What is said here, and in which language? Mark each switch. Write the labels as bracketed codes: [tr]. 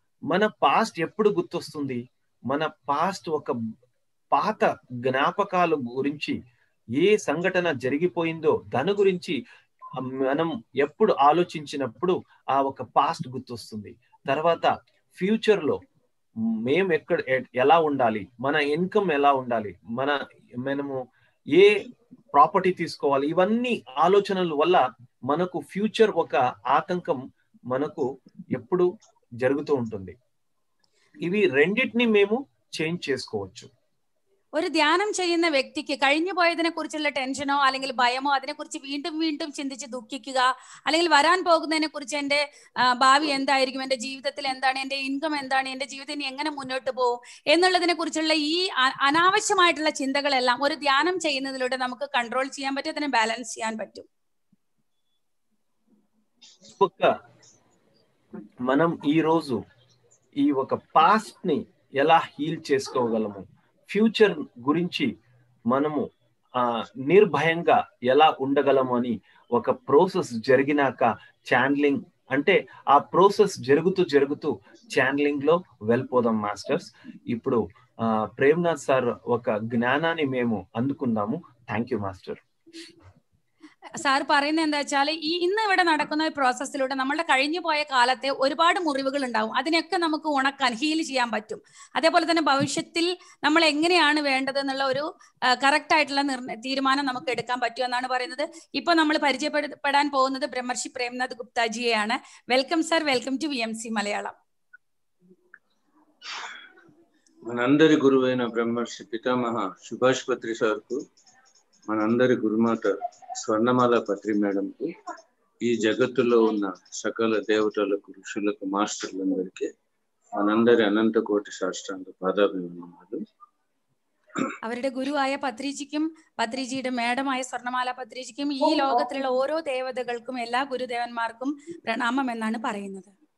[te] మన పాస్ట్ ఎప్పుడు గుర్తొస్తుంది మన పాస్ట్ ఒక పాత జ్ఞాపకాల గురించి ఏ సంఘటన జరిగిపోయిందో దాని గురించి మనం ఎప్పుడు ఆలోచించినప్పుడు ఆ ఒక పాస్ట్ గుర్తొస్తుంది తర్వాత ఫ్యూచర్ లో మేము ఎక్కడ ఎలా ఉండాలి మన ఇన్కమ్ ఎలా ఉండాలి మనము ఏ ప్రాపర్టీ తీసుకోవాలి ఇవన్నీ ఆలోచనల వల్ల మనకు ఫ్యూచర్ ఒక ఆతంకం మనకు ఎప్పుడు జరుగుతూ ఉంటుంది ఇవి రెండింటిని మేము చేంజ్ చేసుకోవచ్చు [ml] ഒരു ധ്യാനം ചെയ്യുന്ന വ്യക്തിക്ക് കഴിഞ്ഞു പോയതിനെ കുറിച്ചുള്ള ടെൻഷനോ അല്ലെങ്കിൽ ഭയമോ അതിനെക്കുറിച്ച് വീണ്ടും വീണ്ടും ചിന്തിച്ച് ദുഃഖിക്കുക അല്ലെങ്കിൽ വരാൻ പോകുന്നതിനെ കുറിച്ച് എൻ്റെ ഭാവി എന്തായിരിക്കും എൻ്റെ ജീവിതത്തിൽ എന്താണ് എൻ്റെ ഇൻകം എന്താണ് എൻ്റെ ജീവിതത്തിന് എങ്ങനെ മുന്നോട്ട് പോകും എന്നുള്ളതിനെ കുറിച്ചുള്ള ഈ അനാവശ്യമായിട്ടുള്ള ചിന്തകളെല്ലാം ഒരു ധ്യാനം ചെയ്യുന്നതിലൂടെ നമുക്ക് കൺട്രോൾ ചെയ്യാൻ പറ്റും അതിനെ ബാലൻസ് ചെയ്യാൻ പറ്റും [te] మనం ఈ రోజు ఈ ఒక పాస్ట్ ని ఎలా హీల్ చేసుకోగలము ఫ్యూచర్ గురించి మనము ఆ నిర్భయంగా ఎలా ఉండగలము అని ఒక ప్రాసెస్ జరిగినాక ఛానలింగ్ అంటే ఆ ప్రాసెస్ జరుగుతూ జరుగుతూ ఛానలింగ్ లో వెళ్ళిపోదాం మాస్టర్స్ ఇప్పుడు ఆ ప్రేమ్నాథ్ సార్ ఒక జ్ఞానాన్ని మేము అందుకుందాము థ్యాంక్ యూ మాస్టర్ [ml] സാർ പറയുന്ന എന്താ വെച്ചാല് ഈ ഇന്ന് ഇവിടെ നടക്കുന്ന ഒരു പ്രോസസ്സിലൂടെ നമ്മളുടെ കഴിഞ്ഞു പോയ കാലത്തെ ഒരുപാട് മുറിവുകൾ ഉണ്ടാവും അതിനൊക്കെ നമുക്ക് ഉണക്കാൻ ഹീൽ ചെയ്യാൻ പറ്റും അതേപോലെ തന്നെ ഭവിഷ്യത്തിൽ നമ്മൾ എങ്ങനെയാണ് വേണ്ടത് എന്നുള്ള ഒരു കറക്റ്റ് ആയിട്ടുള്ള തീരുമാനം നമുക്ക് എടുക്കാൻ പറ്റും എന്നാണ് പറയുന്നത് ഇപ്പൊ നമ്മൾ പരിചയപ്പെടാൻ പോകുന്നത് ബ്രഹ്മർഷി Premnath ഗുപ്താജിയെയാണ് welcome sir welcome to VMC Malayalam [te] മനന്ദരി ഗുരുവേന ബ്രഹ്മർഷി പിതാമഹ സുഭാഷ് പത്രി സാർക്കു మనందరి గురుమాత స్వర్ణమాల పత్రి మేడంకు ఈ జగత్తులో ఉన్న సకల దేవతలకు ఋషులకు మాస్టర్లందరికీ మనందరి అనంత కోటి సాష్టాంగ పాదాభివందనాలు [ml] അവരുടെ ഗുരുവായ പത്രീജിക്കും പത്രീജിയുടെ മേഡമായ സ്വർണമാല പത്രീജിക്കും ഈ ലോകത്തിലുള്ള ഓരോ ദേവതകൾക്കും എല്ലാ ഗുരുദേവന്മാർക്കും പ്രണാമം എന്നാണ് പറയുന്നത്